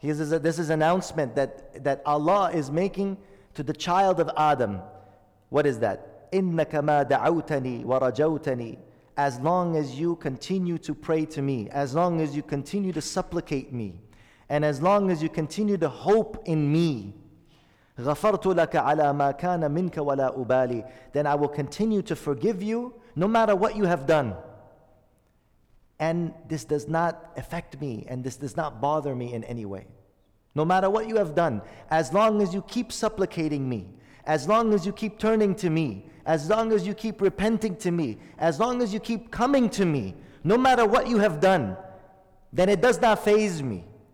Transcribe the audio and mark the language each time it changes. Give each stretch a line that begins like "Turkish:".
English: This is an announcement that Allah is making to the child of Adam. What is that?
Arabic: إِنَّكَ مَا دَعَوْتَنِي وَرَجَوْتَنِي.
English: As long as you continue to pray to me, as long as you continue to supplicate me, and as long as you continue to hope in me,
Arabic: غفرت لك على ما كان منك ولا أبالي.
English: Then I will continue to forgive you no matter what you have done. And this does not affect me, and this does not bother me in any way. No matter what you have done, as long as you keep supplicating me, as long as you keep turning to me, as long as you keep repenting to me, as long as you keep coming to me, no matter what you have done, then it does not faze me.